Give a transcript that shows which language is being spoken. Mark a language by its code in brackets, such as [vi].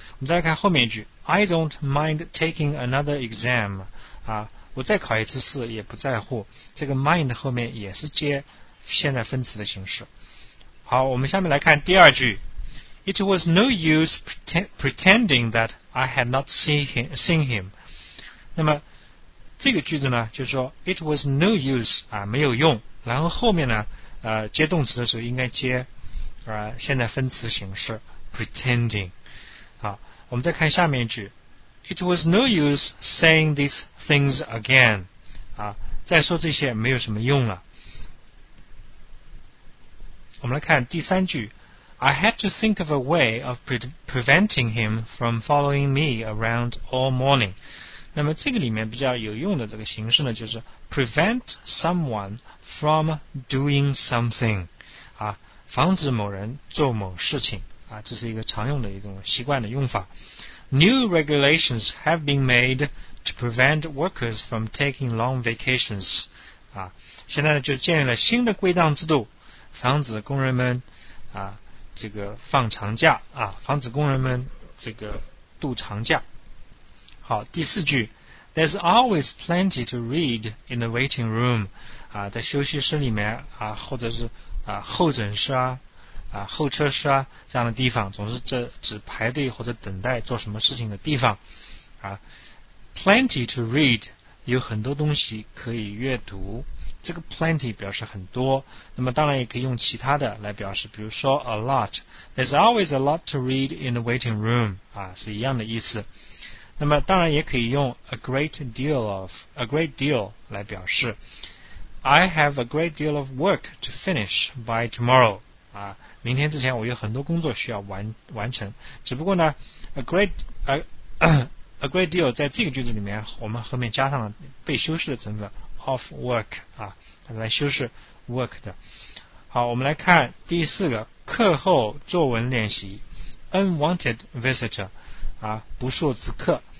[zh] 我们再来看后面一句 [en] ，I don't mind taking another exam. [zh] 啊，我再考一次试也不在乎。这个 mind 后面也是接现在分词的形式。好，我们下面来看第二句。 [en] It was no use pretending that I had not seen him. [zh] 那么这个句子呢，就是说 [en] It was no use [zh] 啊，没有用。然后后面呢，接动词的时候应该接现在分词形式 pretending。好，我们再看下面一句 [en] ，It was no use saying these things again. [zh] 啊，再说这些没有什么用了。我们来看第三句。 [en] I had to think of a way of preventing him from following me around all morning. [zh] 那么这个里面比较有用的这个形式呢，就是 [en] prevent someone from doing something. [zh] 啊，防止某人做某事情。啊，这是一个常用的一种习惯的用法。 [en] New regulations have been made to prevent workers from taking long vacations. [zh] 啊，现在呢就建立了新的规章制度，防止工人们啊。这个放长假啊，防止工人们这个度长假。好，第四句 ， [en] There's always plenty to read in the waiting room， [zh] 啊，在休息室里面啊，或者是啊候诊室啊，啊候车室啊这样的地方，总是只排队或者等待做什么事情的地方，啊 ，plenty to read 有很多东西可以阅读。这个 plenty 表示很多，那么当然也可以用其他的来表示，比如说 a lot， [en] there's always a lot to read in the waiting room， [zh] 啊，是一样的意思。那么当然也可以用 a great deal of， a great deal 来表示。 [en] I have a great deal of work to finish by tomorrow. [zh] 啊，明天之前我有很多工作需要完成。只不过呢 ，a great deal 在这个句子里面，我们后面加上了被修饰的成分 of work 啊，它来修饰 work 的。好，我们来看第四个课后作文练习 ，unwanted visitor 啊，不速之客。